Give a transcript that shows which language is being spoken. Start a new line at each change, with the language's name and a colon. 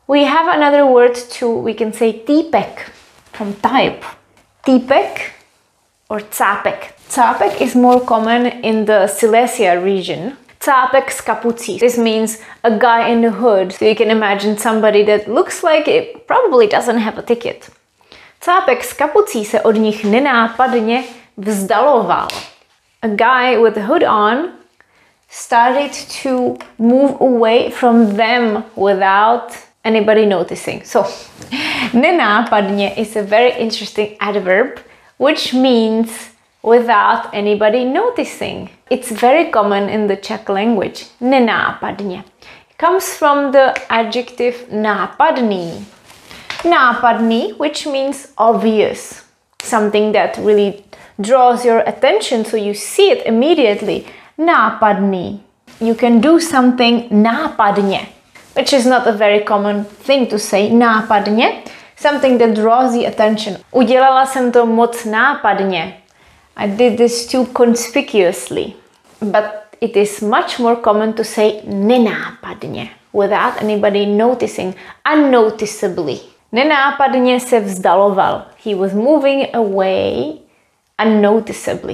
English: We have another word too. We can say típek from type. Típek or cápek. Cápek is more common in the Silesia region.
Czech: Cápek s kapucí.
English: This means a guy in a hood. So you can imagine somebody that looks like it probably doesn't have a ticket.
Czech: Cápek s kapucí se od nich nenápadně vzdaloval.
English: A guy with a hood on started to move away from them without anybody noticing. So, nenápadně is a very interesting adverb, which means without anybody noticing. It's very common in the Czech language. Nenápadně. It comes from the adjective nápadný. Nápadný, which means obvious. Something that really draws your attention so you see it immediately. Nápadný. You can do something nápadně, which is not a very common thing to say. Nápadně. Something that draws the attention.
Czech: Udělala jsem to moc nápadně.
English: I did this too conspicuously. But it is much more common to say nenápadně. Without anybody noticing. Unnoticeably.
Czech: Nenápadně se vzdaloval.
English: He was moving away unnoticeably.